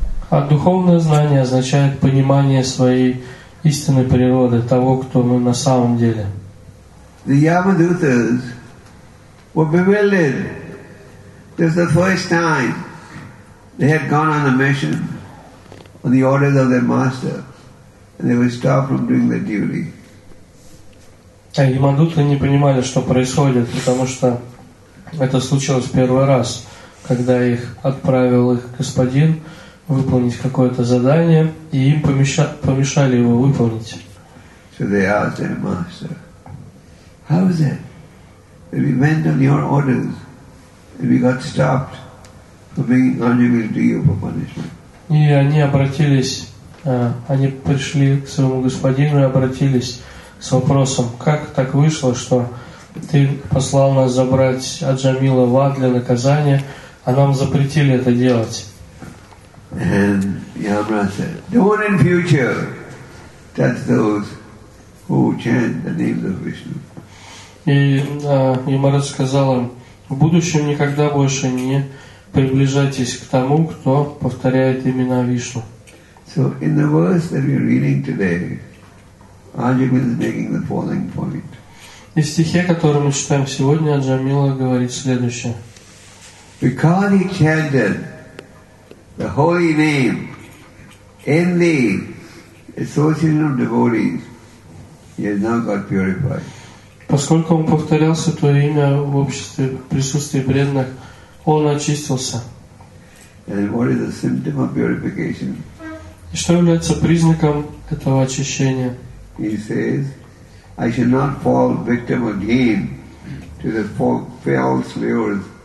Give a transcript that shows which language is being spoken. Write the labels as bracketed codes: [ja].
[ru] А духовное знание означает понимание своей истинной природы, того, кто мы на самом деле. [en] The Yamadutas were bewildered. This is the first time they had gone on a mission on the orders of their master, and they were stopped from doing their duty. [ru] А Ямадуты не понимали, что происходит, потому что это случилось первый раз, когда их отправил их господин выполнить какое-то задание, и им помешали его выполнить. [en] So they asked their master, how is it that we went on your orders and we got stopped for bringing Ajamil to you for punishment? [ru] И они обратились, они пришли к своему господину и обратились с вопросом, как так вышло, что ты послал нас забрать Аджамила в ад для наказания, а нам запретили это делать. [en] And Yamaraj said, don't in future touch those who chant the names of Vishnu. [ru] И Ямарат сказал им, в будущем никогда больше не приближайтесь к тому, кто повторяет имена Вишну. [en] So in the verse that we're reading today, Ajamil is making the following point. [ru] И в стихе, который мы читаем сегодня, Аджамила говорит следующее. [en] Because he chanted the holy name in the association of devotees, he has now got purified. [ru] Поскольку он повторял святое имя в обществе, в присутствии преданных, он очистился. [en] And what is the symptom of purification? [ru] И что является признаком этого очищения? [en] He says, I shall not fall victim again to the false lures.